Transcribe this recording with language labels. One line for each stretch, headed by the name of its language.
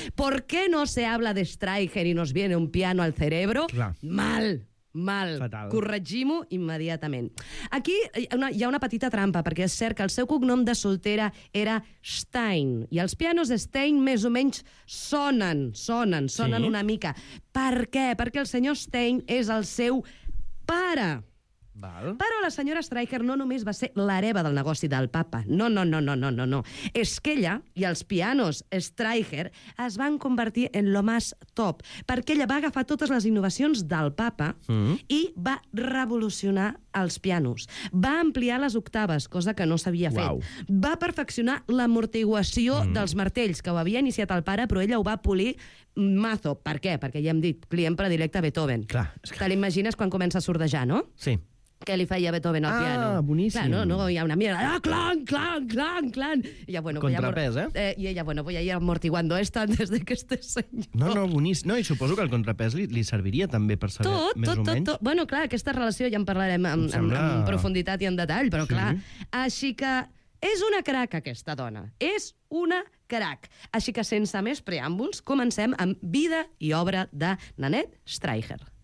Spanish: ¿Por qué no se habla de Streicher y nos viene un piano al cerebro?
Catalan: Clar. Mal. Fatal. Corregim-ho immediatament. Aquí hi ha una petita trampa, perquè és cert que el seu cognom de soltera era Stein, i els pianos Stein més o menys sonen sí? Una mica. Per què? Perquè el senyor Stein és el seu pare. Val. Però la senyora Streicher no només va ser l'hereva del negoci del papa. No. És que ella i els pianos Streicher es van convertir en
Spanish: lo más top,
Catalan: perquè ella va agafar totes les innovacions del papa i va revolucionar els pianos. Va ampliar les octaves, cosa que no s'havia fet. Va perfeccionar l'amortiguació dels martells, que ho havia iniciat el pare, però ella ho va polir mazo. Per què? Perquè ja hem dit, client predilecte Beethoven. Clar, que... Te l'imagines quan comença a sordejar, no? Sí. Què li feia Beethoven al piano? Ah, boníssim. Clar, no, hi ha una mirada, clan. I ja, bueno, contrapès, I ella,
Spanish: bueno, voy a ir amortiguando esto antes de que este señor...
Catalan: No, boníssim. No, i suposo que el contrapès li serviria també per saber tot, més o menys. Bueno, clar, aquesta relació ja en parlarem amb profunditat i en detall, però sí. Clar. Així que És una crac, aquesta dona. És una crac. Així que, sense més preàmbuls, comencem amb Vida i obra de Nanette Streicher.